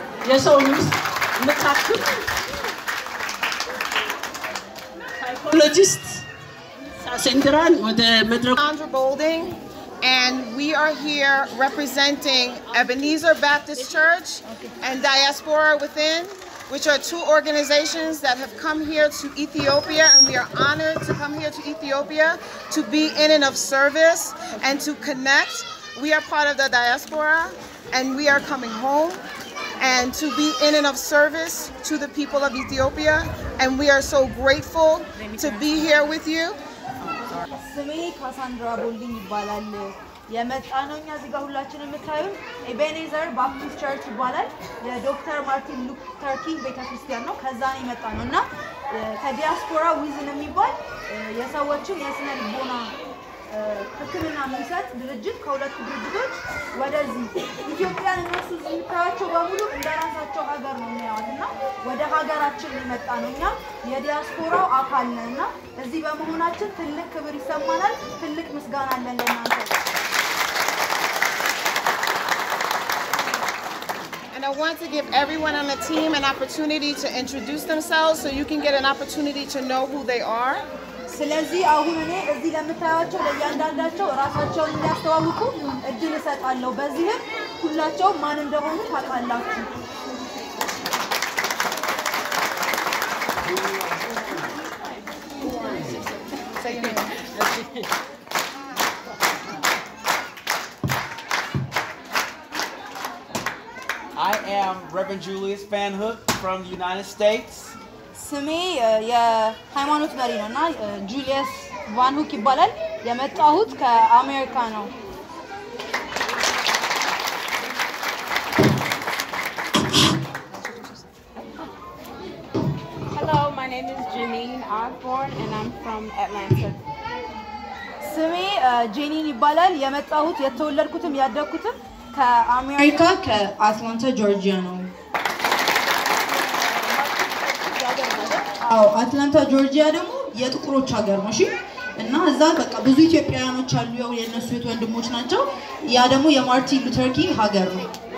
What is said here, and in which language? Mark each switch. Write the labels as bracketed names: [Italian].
[Amharic] የሰውን ውስጥ ምታክም ሳይኮሎጂስት ሳሴንድራን ወደ መድረክ [English] አንድሮቦልዲንግ and we are here representing Ebenezer Baptist Church and Diaspora Within, which are two organizations that have come here to Ethiopia, and we are honored to come here to Ethiopia to be in and of service and to connect. We are part of the diaspora and we are coming home and to be in and of service to the people of Ethiopia, and we are so grateful to be here with you. [Amharic] ስሜ ካሳንድራ ቦልዲንግ ይባላል። የመጣ ነው እኛ እዚህ ጋር ሁላችንም የምታዩን ኤቤኔዘር ባፕቲስት ቸርች ይባላል። የዶክተር ማርቲን ሉተር ኪንግ ቤተክርስቲያን ነው። ከዛ ነው የመጣ ነው እና ከዲያስፖራ ዊዝን የሚባል የሰዎችን የስነ ልቦና ሕክምና የሚሰጥ ድርጅት ከሁለቱ ድርጅቶች ወደዚህ ኢትዮጵያን እነሱ እዚህ የምታያቸው በሙሉ እንደ ራሳቸው ሀገር ነው የሚያዩት እና ወደ ሀገራችን የመጣ ነው። እኛም የዲያስፖራው አካል ነን እና እዚህ በመሆናችን ትልቅ ክብር ይሰማናል። ትልቅ ምስጋና አለን ለእናንተ። [English] And I want to give everyone on the team an opportunity to introduce themselves so you can get an opportunity to know who they are. [Amharic] ስለዚህ አሁን እኔ እዚህ ለምታያቸው ለእያንዳንዳቸው ራሳቸውን እንዲያስተዋውቁ እድል እሰጣለሁ። በዚህም ሁላቸው ማን እንደሆኑ ታውቃላችሁ። [English] Reverend Julius Van Hook from the United States. [Amharic] ስሚ የሃይማኖት መሪ ነውና Julius Van Hook ይባላል። የመጣሁት ከአሜሪካ ነው። [English] Hello, my name is Janine Osborne and I'm from Atlanta. [Amharic] ስሚ ጄኒን ይባላል። የመጣሁት የተወለድኩትም ያደኩትም ከአሜሪካ ከአትላንታ ጆርጂያ ነው። አዎ፣ አትላንታ ጆርጂያ ደግሞ የጥቁሮች ሀገር ነው። እሺ። እና እዛ በቃ ብዙ ኢትዮጵያውያኖች አሉ። ያው የነሱ የት ወንድሞች ናቸው። ያ ደግሞ የማርቲን ሉተር ኪንግ ሀገር ነው።